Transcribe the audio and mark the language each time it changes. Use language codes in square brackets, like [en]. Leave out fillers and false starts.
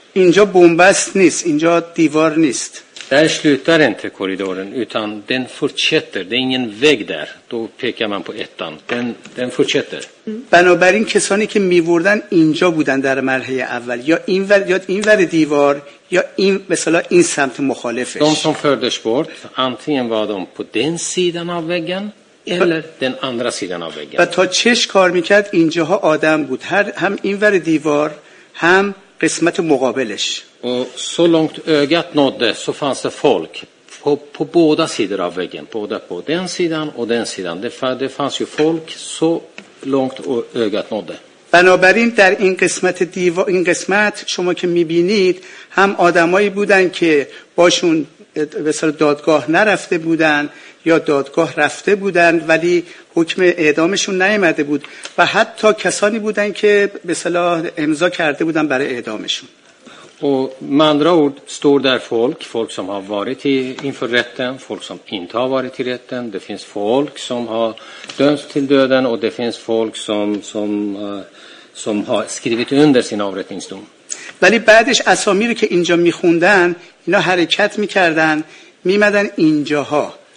[fa] اینجا بنبست نیست, اینجا دیوار نیست. [sv] Där slutar inte korridoren utan den fortsätter. Det är ingen vägg där. Då pekar man på ettan. Den fortsätter. [fa] بنابراین کسانی که میوردن اینجا بودن در مرحله اول یا این ور یا این ور دیوار یا این مثلا این سمت مخالفش. [sv] De som fördes bort, antingen var de på den sidan av väggen eller den andra sidan av väggen. [fa] و تا چش کار میکرد اینجاها آدم بود. هم این ور دیوار هم قسمت مقابلش. [sv] Och så långt ögat nådde så fanns det folk på båda sidor av väggen. Både på den sidan och den sidan. Det fanns ju folk så långt ögat nådde. [fa] بنابراین در این قسمت دیوار این قسمت شما که میبینید هم آدمایی بودن که باشون مثلا دادگاه نرفته بودن یا دادگاه رفته بودن ولی حکم اعدامشون نیامده بود و حتی کسانی بودن که مثلا امضا کرده بودن برای اعدامشون. [sv] Och med andra ord står där folk som har varit inför rätten, folk som inte har varit i rätten. Det finns folk som har dömts till döden och det finns folk som har skrivit under sin avrättningsdom. Men [fa] بعدش اسامی رو که اینجا میخوندن اینا حرکت میکردن میمدن اینجاها